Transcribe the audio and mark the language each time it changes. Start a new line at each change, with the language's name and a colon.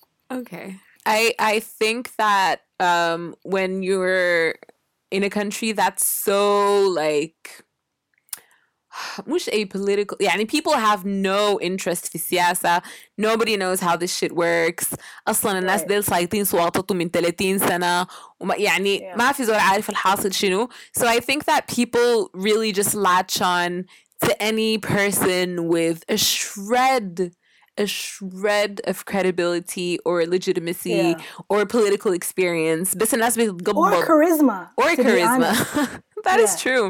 English: Okay. I think that when you're in a country that's so, like,
Arabic: مش
English: apolitical. يعني people have no interest
Arabic: في السياسة.
English: Nobody knows how this shit works.
Arabic: أصلاً الناس ديل سايطين سواطته من 30 سنة. وما يعني ما في زول عارف الحاصل شنو.
English: So I think that people really just latch on to any person with a shred of credibility or legitimacy or political experience.
Arabic: بس الناس بيقبل.
English: Or charisma. Or charisma. That is true.